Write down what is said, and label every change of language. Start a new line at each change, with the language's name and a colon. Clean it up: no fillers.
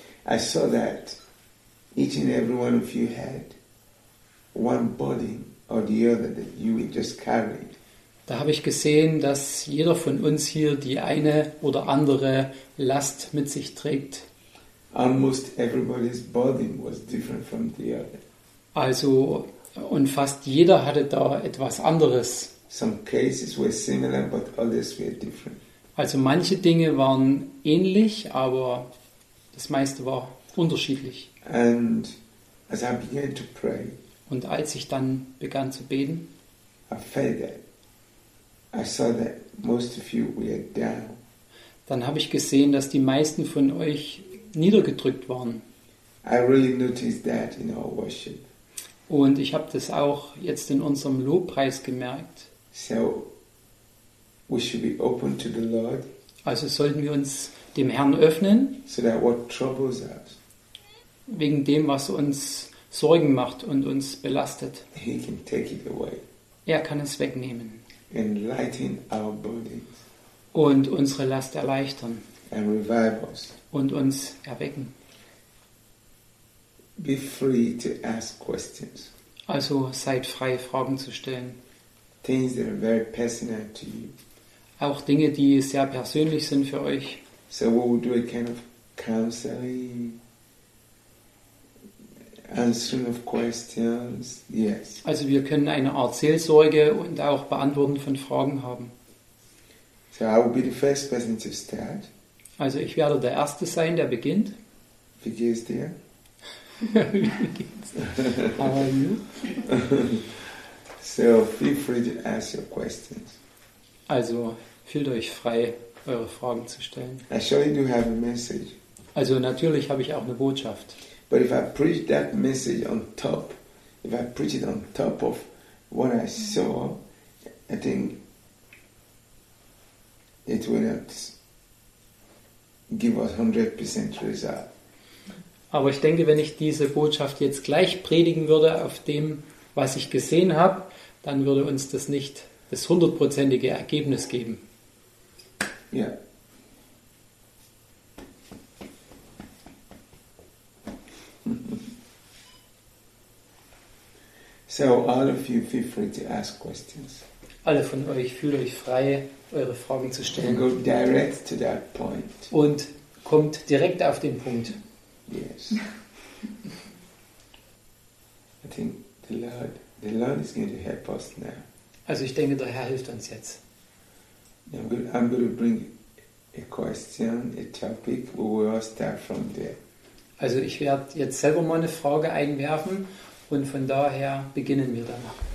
English: I saw that each and every one of you had one body or the other that you would just carry.
German: Da habe ich gesehen, dass jeder von uns hier die eine oder andere Last mit sich trägt.
English: Almost everybody's body was different from the other.
German: Also, und fast jeder hatte da etwas anderes.
English: Some cases were similar, but others were different.
German: Also manche Dinge waren ähnlich, aber das meiste war unterschiedlich.
English: And as I began to pray,
German: und als ich dann begann zu beten, dann habe ich gesehen, dass die meisten von euch niedergedrückt waren.
English: I really noticed that in our worship.
German: Und ich habe das auch jetzt in unserem Lobpreis gemerkt.
English: So, we should be open to the Lord.
German: Also sollten wir uns dem Herrn öffnen.
English: So that what troubles us.
German: Wegen dem, was uns Sorgen macht und uns belastet.
English: He can take it away.
German: Er kann es wegnehmen.
English: And lighten our bodies.
German: Und unsere Last erleichtern.
English: And revive us.
German: Und uns erwecken.
English: Be free to ask questions.
German: Also seid frei, Fragen zu stellen.
English: Things that are very personal to you.
German: Auch Dinge, die sehr persönlich sind für euch.
English: So we will do a kind of counseling, answering of questions, yes.
German: Also wir können eine Art Seelsorge und auch Beantworten von Fragen haben.
English: So I will be the first person to start.
German: Also ich werde der Erste sein, der beginnt. Wie geht's dir?
English: How are you? So feel free to ask your questions.
German: Also fühlt euch frei, eure Fragen zu stellen.
English: I surely do have a message.
German: Also natürlich habe ich auch eine Botschaft.
English: But if I preach that message on top, if I preach it on top of what I saw, I think it will not give us 100% result.
German: Aber ich denke, wenn ich diese Botschaft jetzt gleich predigen würde auf dem, was ich gesehen habe, dann würde uns das nicht das hundertprozentige Ergebnis geben. Ja.
English: Yeah. So, all of you feel free to ask questions.
German: Alle von euch fühlt euch frei, eure Fragen zu stellen.
English: And go direct to that point.
German: Und kommt direkt auf den Punkt.
English: Yes. I think the Lord is going to help us now.
German: Also ich denke, der Herr hilft uns jetzt.
English: I'm going to bring a question, a topic, we will start from there.
German: Also ich werde jetzt selber mal eine Frage einwerfen und von daher beginnen wir danach.